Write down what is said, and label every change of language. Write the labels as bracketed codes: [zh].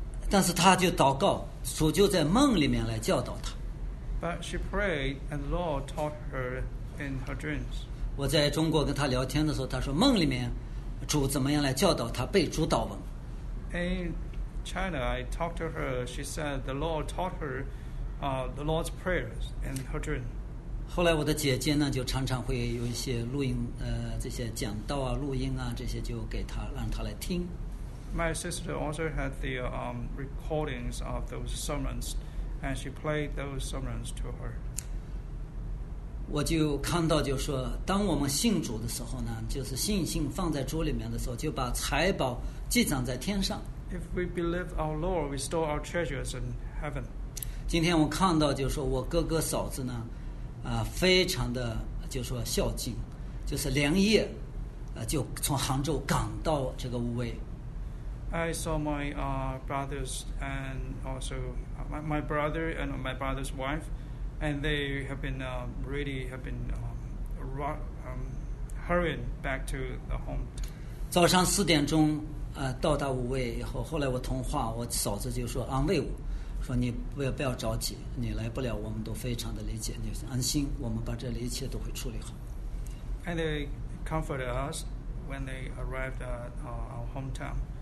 [zh] 但是她就祷告，主就在梦里面来教导她。 [en] But she prayed, and the Lord taught her in her dreams. [zh] 我在中国跟她聊天的时候，她说梦里面主怎么样来教导她背主祷文。 [en] In China, I talked to her. She said the Lord taught her the Lord's prayers in her dream. [zh] 后来我的姐姐呢，就常常会有一些录音，这些讲道啊、录音啊这些，就给她让她来听。 [en] My sister also had the recordings of those sermons. And she played those sermons to her. [zh] 我就看到，就说，当我们信主的时候呢，就是信心放在主里面的时候，就把财宝积攒在天上。 [en] If we believe our Lord, we store our treasures in heaven. [zh] 今天我看到，就说我哥哥嫂子呢，非常的就说孝敬，就是连夜，就从杭州赶到这个武威。 [en] I saw my brothers and also. My brother and my brother's wife, and they have been hurrying back to the home. [zh] 早上四点钟，到达武威以后，后来我通话，我嫂子就说安慰我，说你不要着急，你来不了，我们都非常的理解，你安心，我们把这里一切都会处理好。 [en] And they comforted us when they arrived at our hometown.